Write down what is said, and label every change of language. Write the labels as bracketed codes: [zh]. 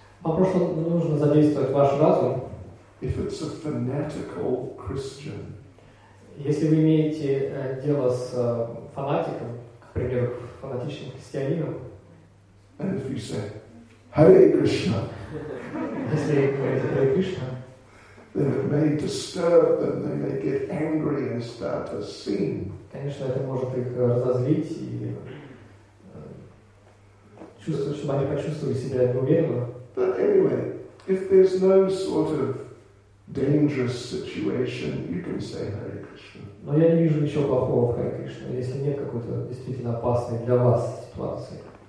[ru] Вопрос, нужно задействовать ваш разум. [en] If it's a fanatical Christian. [ru] Если вы имеете дело с фанатиком, к примеру, фанатичным христианином. [en] And if you say, Hare Krishna, then it may disturb them, they may get angry and start a scene. [ru] Конечно, это может их разозлить и чувствовать, чтобы они почувствовали себя неуверенно. [en] But anyway, if there's no sort of dangerous situation, you can say Hare Krishna. [ru] Но я не вижу ничего плохого в Hare Krishna, если нет какой-то действительно опасной для вас ситуации.